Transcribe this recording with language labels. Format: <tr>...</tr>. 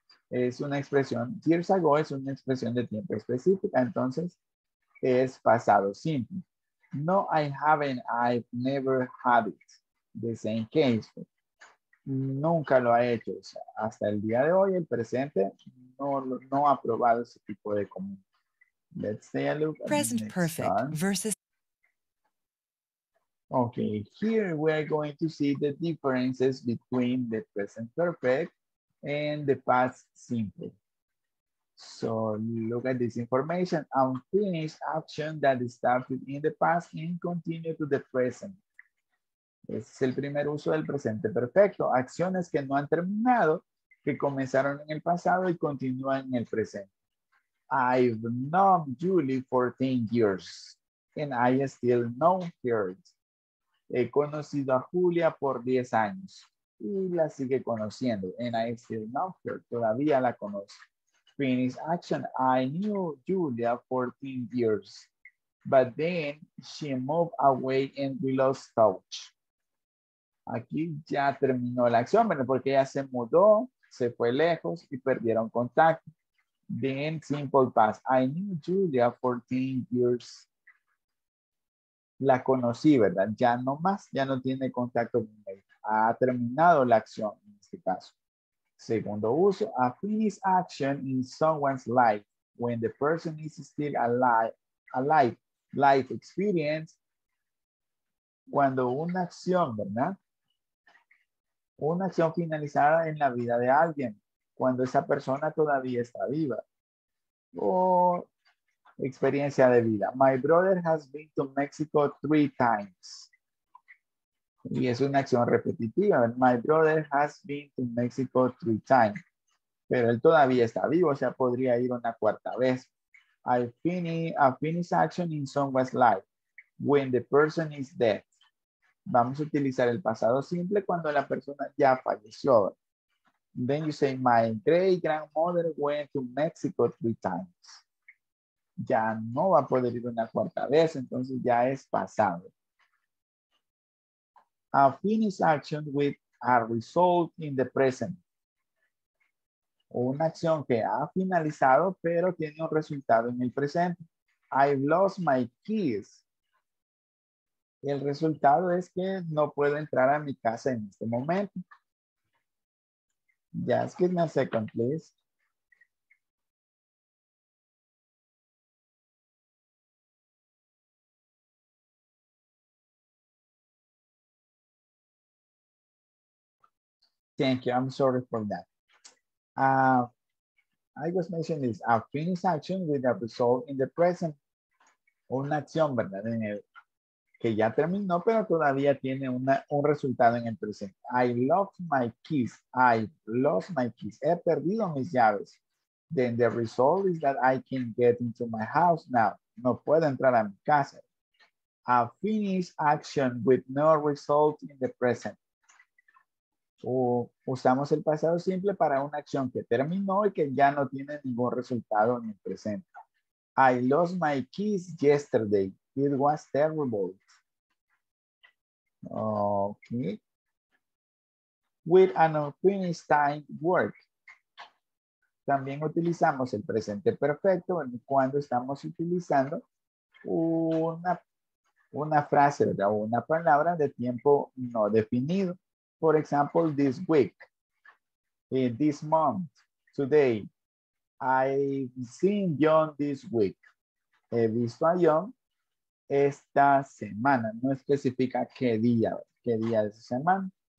<es>Es una expresión,</es> <en>years ago</en> <es>es una expresión de tiempo específica, entonces es pasado simple.</es> <en>No, I haven't, I've never had it. The same case.</en> <es>Nunca lo ha hecho. O sea, hasta el día de hoy, el presente, no ha probado ese tipo de común.</es> <en>Let's take a look. Present perfect time. Versus. Okay, here we are going to see the differences between the present perfect and the past simple. So look at this information. Unfinished action that started in the past and continue to the present.</en> <es>Este es el primer uso del presente perfecto. Acciones que no han terminado, que comenzaron en el pasado y continúan en el presente.</es> <en>I've known Julie 14 years and I still know her.</en> <es>He conocido a Julia por 10 años. Y la sigue conociendo.</es> <en>And I still know her.</en> <es>Todavía la conozco.</es> <en>Finish action. I knew Julia 14 years. But then she moved away and we lost touch.</en> <es>Aquí ya terminó la acción, ¿verdad? Porque ella se mudó, se fue lejos y perdieron contacto.</es> <en>Then simple past. I knew Julia 14 years.</en> <es>La conocí, ¿verdad? Ya no más. Ya no tiene contacto con ella. Ha terminado la acción en este caso. Segundo uso,</es> <en>a finished action in someone's life when the person is still alive. Life experience,</en> <es>cuando una acción, ¿verdad? Una acción finalizada en la vida de alguien, cuando esa persona todavía está viva. O experiencia de vida.</es> <en>My brother has been to Mexico 3 times.</en> <es>Y es una acción repetitiva.</es> <en>My brother has been to Mexico 3 times.</en> <es>Pero él todavía está vivo, o sea, podría ir una cuarta vez.</es> <en>A finished action in someone's life when the person is dead.</en> <es>Vamos a utilizar el pasado simple cuando la persona ya falleció.</es> <en>Then you say, my great grandmother went to Mexico 3 times.</en> <es>Ya no va a poder ir una cuarta vez, entonces ya es pasado.</es> <en>A finished action with a result in the present.</en> <es>Una acción que ha finalizado, pero tiene un resultado en el presente.</es> <en>I've lost my keys.</en> <es>El resultado es que no puedo entrar a mi casa en este momento.</es> <en>Just give me a second, please. Thank you. I'm sorry for that. I was mentioning this. A finished action with a result in the present.</en> <es>Una acción, ¿verdad? Que ya terminó, pero todavía tiene un resultado en el presente.</es> <en>I lost my keys. I lost my keys.</en> <es>He perdido mis llaves.</es> <en>Then the result is that I can get into my house now.</en> <es>No puedo entrar a mi casa.</es> <en>A finished action with no result in the present.</en> <es>O usamos el pasado simple para una acción que terminó y que ya no tiene ningún resultado en el presente.</es> <en>I lost my keys yesterday. It was terrible. Okay. With an unfinished time work.</en> <es>También utilizamos el presente perfecto cuando estamos utilizando una frase o una palabra de tiempo no definido.</es> <en>For example, this week, this month, today, I've seen John this week.</en> <es>He visto a John esta semana. No especifica qué día de semana.</es>